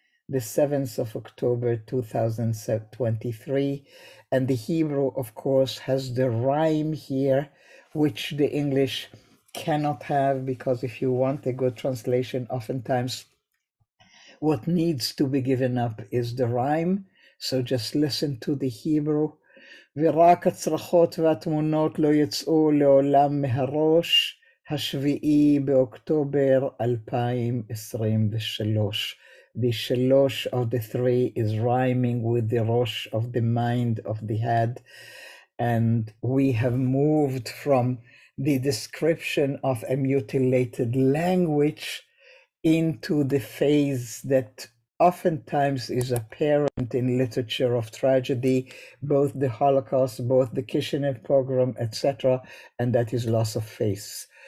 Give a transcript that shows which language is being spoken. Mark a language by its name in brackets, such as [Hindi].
[English] The 7th of October, 2023. And the Hebrew, of course, has the rhyme here, which the English cannot have, because if you want a good translation, oftentimes what needs to be given up is the rhyme. So just listen to the Hebrew. [Hebrew] ורק הצרחות והתמונות לא יצאו לעולם מהראש השביעי באוקטובר 2023. [English] The shalosh of the three is rhyming with the rosh of the mind of the head. And we have moved from the description of a mutilated language into the phase that oftentimes is apparent in literature of tragedy, both the Holocaust, both the Kishinev pogrom, etc., and that is loss of face.